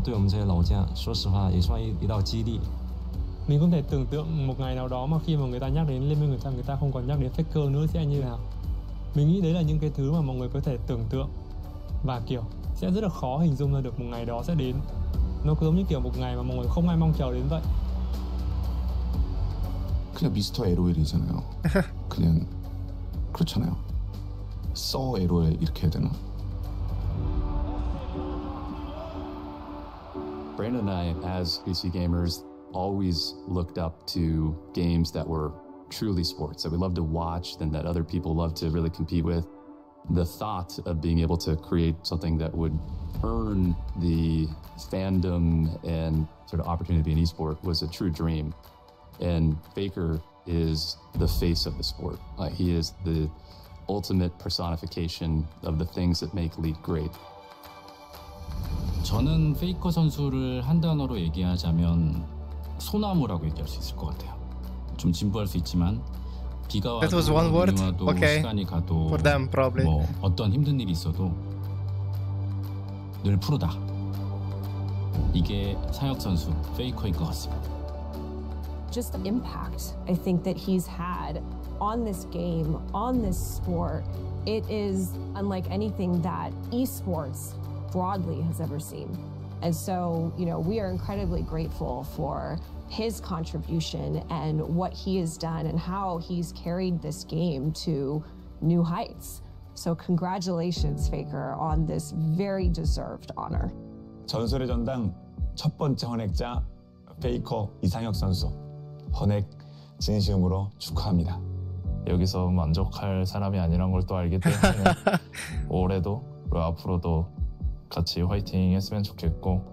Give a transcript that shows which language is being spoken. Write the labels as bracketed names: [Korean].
[Chinese] 也对我们职业选手起了一个很好的榜样，这年坚持对我们这些老将，说实话也算一道激励。 [Vietnamese] Mình có thể tưởng tượng một ngày nào đó mà khi mà người ta nhắc đến Liên minh người ta, người ta không còn nhắc đến Faker nữa sẽ như thế nào. Mình nghĩ đấy là những cái thứ mà mọi người có thể tưởng tượng và kiểu sẽ rất là khó hình dung ra được một ngày đó sẽ đến. Nó giống như kiểu một ngày mà mọi người không ai mong chờ đến vậy. [Korean] 그냥 미스터 LOL이잖아요. 그냥 그렇잖아요. So LOL 이렇게 해야 되나? [English] Brandon and I, as PC gamers, always looked up to games that were truly sports that we love to watch and that other people love to really compete with. The thought of being able to create something that would earn the fandom and sort of opportunity to be an esport was a true dream. And Faker is the face of the sport. He is the ultimate personification of the things that make League great. [Korean] 저는 페이커 선수를 한 단어로 얘기하자면 소나무라고 얘기할 수 있을 것 같아요. 좀 진부할 수 있지만 비가 와도 눈이 와도 okay. 시간이 가도 [English] for them, probably. [Korean] 뭐 어떤 힘든 일이 있어도 늘 프로다. 이게 상혁 선수 페이커인 것 같습니다. [English] Just the impact I think that he's had on this game, on this sport, it is unlike anything that esports broadly has ever seen. And so, you know, we are incredibly grateful for his contribution and what he has done and how he's carried this game to new heights. So congratulations, Faker, on this very deserved honor. [Korean] 전설의 전당 첫 번째 헌액자, 페이커 이상혁 선수. 헌액 진심으로 축하합니다. 여기서 만족할 사람이 아니란 걸 또 알기 때문에 올해도 그리고 앞으로도 같이 화이팅 했으면 좋겠고